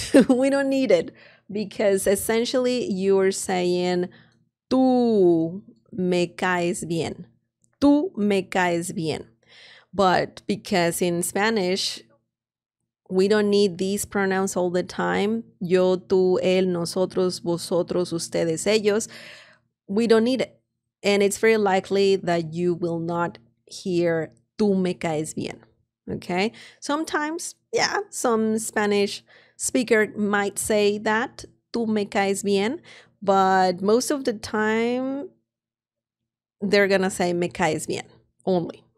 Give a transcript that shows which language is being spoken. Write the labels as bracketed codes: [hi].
[en] We don't need it because essentially you're saying [es] tú me caes bien. Tú me caes bien. [en] But because in Spanish, we don't need these pronouns all the time. [es] Yo, tú, él, nosotros, vosotros, ustedes, ellos. [en] We don't need it. And it's very likely that you will not hear [es] tú me caes bien. [en] Okay? Sometimes, yeah, some Spanish speaker might say that, [es] tú me caes bien. [en] But most of the time, they're gonna say [es] me caes bien [en] only.